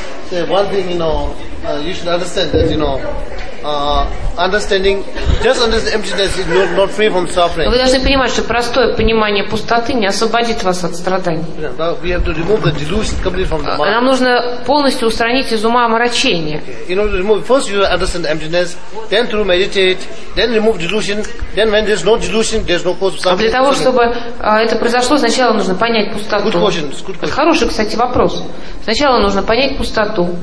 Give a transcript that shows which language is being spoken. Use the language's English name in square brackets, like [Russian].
[English] Say one thing, you know, you should understand that, you know, understanding, just understand emptiness is not free from suffering. [Russian] Вы должны понимать, что простое понимание пустоты не освободит вас от страданий. [English] We have to remove the delusion completely from the mind. [Russian] Нам нужно полностью устранить из ума омрачение. [English] In order to remove, first you understand emptiness, then through meditate, then remove delusion, then when there's no delusion, there's no cause of suffering. [Russian] А для того, чтобы это произошло, сначала нужно понять пустоту. [English] Good question. Good question. [Russian] Это хороший, кстати, вопрос. Сначала нужно понять пустоту.